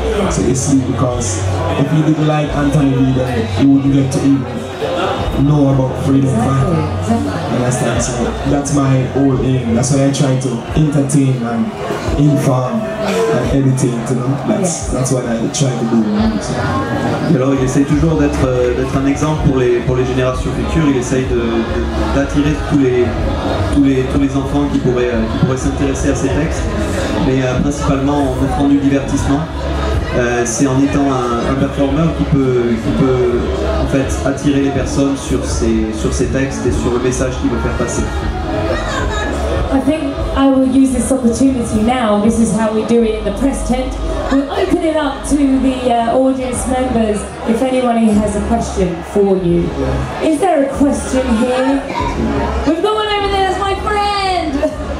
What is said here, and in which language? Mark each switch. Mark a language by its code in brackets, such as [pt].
[en] So you see, because if you didn't like Anthony Lee, then you wouldn't get to even know about freedom fighter. Exactly. Understand? So that's my whole aim. That's why I try to entertain and inform and educate. You know, that's what I try to do. [fr] Et alors, il essaye toujours d'être un exemple pour les générations futures. Il essaye d'attirer tous les enfants qui pourraient s'intéresser à ces textes, mais principalement en offrant du divertissement. C'est en étant un performeur qui peut en fait attirer les personnes sur ces textes et sur le message qu'il veut faire passer. [en] I think I will use this opportunity now. This is how we do it in the press tent. We'll open it up to the audience members if anyone has a question for you. Yeah. Is there a question here? We've got one over there, that's my friend!